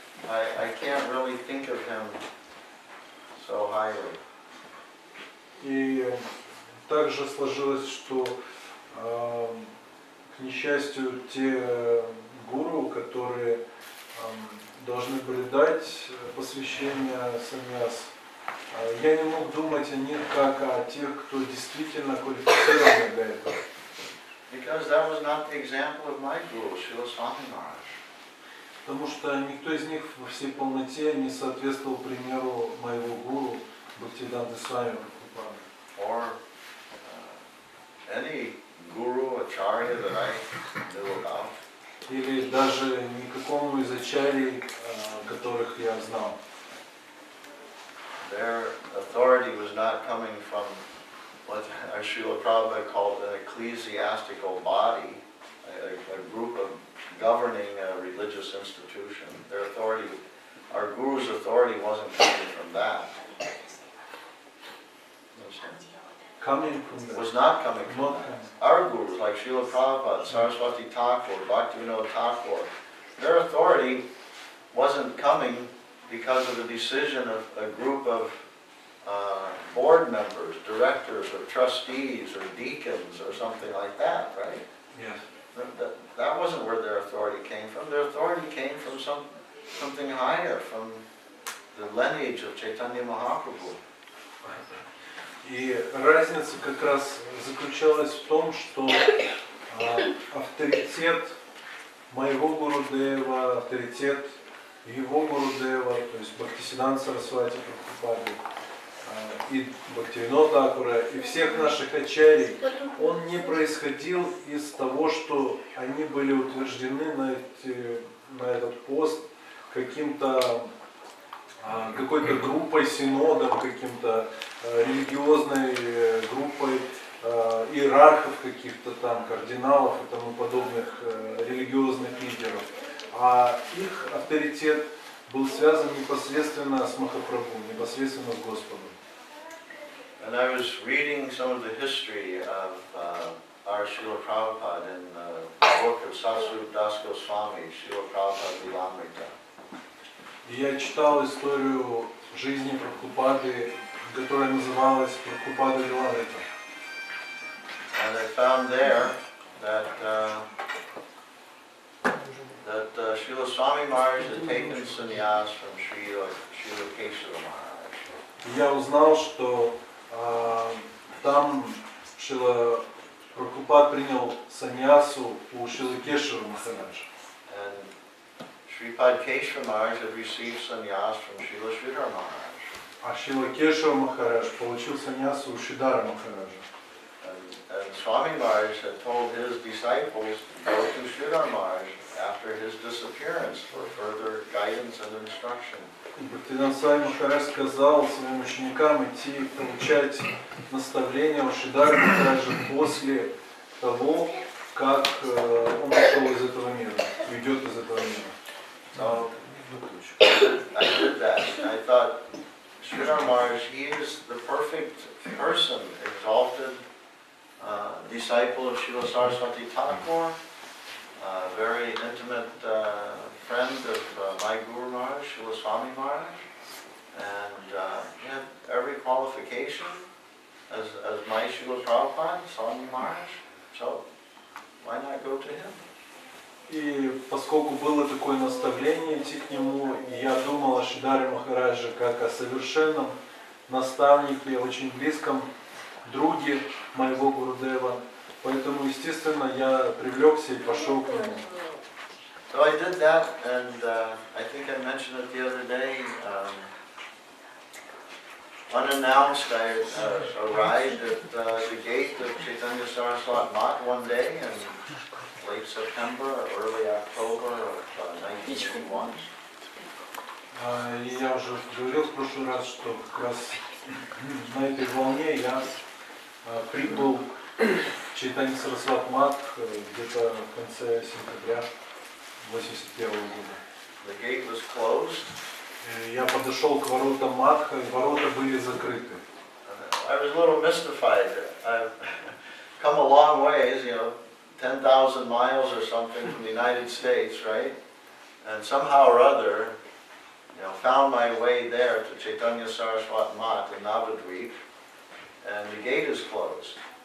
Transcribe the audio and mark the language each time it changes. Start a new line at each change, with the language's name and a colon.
English: I can't really think of him so highly.
Russian: И также сложилось, что к несчастью, те гуру, которые должны были дать посвящение саньяс, я не мог думать о них как о тех, кто действительно квалифицирован для этого.
English: Because that was not the example of my guru, Srila Swami Maharaj.
Russian: Потому что никто из них во всей полноте не соответствовал примеру моего гуру Бхактиданты с вами Прабхупады.
English: Or any guru acharya that I knew about.
Russian: Или даже никакому из ачарий, которых я знал.
English: Their authority was not coming from what Srila Prabhupada called an ecclesiastical body, a group of governing a religious institution. Their authority, our guru's authority wasn't coming from that. coming from that. Was not coming from not that. Our gurus, like Srila Prabhupada, Saraswati Thakur, Bhaktivinoda Thakur, their authority wasn't coming because of the decision of a group of board members, directors, or trustees, or deacons, or something like that, right? Yes. That wasn't where their authority came from. Their authority came from something higher, from the lineage of Chaitanya Mahaprabhu.
Russian: И разница как раз заключалась в том, что авторитет моего Гурудева, авторитет его Гурудева, то есть Бхактисиддханта Сарасвати Прабхупады, и Бхактивинода Такура, и всех наших ачарий, он не происходил из того, что они были утверждены на этот пост какой-то группой, синодом, каким-то религиозной группой иерархов каких-то там, кардиналов и тому подобных религиозных лидеров. А их авторитет был связан непосредственно с Махапрабху, непосредственно с Господом.
English: And I was reading some of the history of our Srila Prabhupada in the book of Sasrup Das Goswami, Srila Prabhupada Lilamrita.
Russian: Я читал историю жизни Прабхупады, которая называлась Прабхупада Лилавита.
English: And I found there that Srila Swami Maharaj had taken sannyas from Srila Keshava Maharaj.
Russian: Я узнал, что там Шрила Прабхупад принял саньясу у Шрилы Кешава Махараджа.
English: And Shripad Keshava Maharaj had received sannyas from Srila Sridhara Maharaj.
Russian: А Шрила Кешава Махарадж получил саньясу у Шридхара Махараджа.
English: And Swami Maharaj had told his disciples to go to Sridhara Maharaj after his disappearance for further guidance and instruction.
Russian: Бхактинанда Свами Махарадж сказал своим ученикам идти получать наставление у Шридхара Махараджа после того, как он ушел из этого мира, уйдет из этого мира.
English: I did that. I thought, Sridhara Maharaj, he is the perfect person, exalted disciple of Srila Saraswati Thakur, very intimate friend of my Guru Maharaj, Srila Swami Maharaj, and he had every qualification as my Srila Prabhupada, Swami Maharaj, so why not go to him?
Russian: И поскольку было такое наставление идти к нему, я думал о Шридхаре Махарадже как о совершенном наставнике, очень близком друге моего Гурудева. Поэтому, естественно, я привлекся и пошел к нему.
English: So I did that, and I think I mentioned it the other day. Unannounced, I arrived at the gate of Chaitanya Saraswat Mat one day in late September or early October of 1981.
Russian: Я уже говорил в прошлый раз, что как раз на этой волне я прибыл в Чайтанья Сарасват Мат где-то в конце сентября 81 года.
English: The gate was closed.
Russian: Я подошел к воротам Матха, и ворота были закрыты.
English: I was a little mystified. I've come a long ways, you know, 10,000 miles or something from the United States, right? And somehow or other, you know, found my way there to Chaitanya Saraswat Mat in Navadvip, and the gate is closed.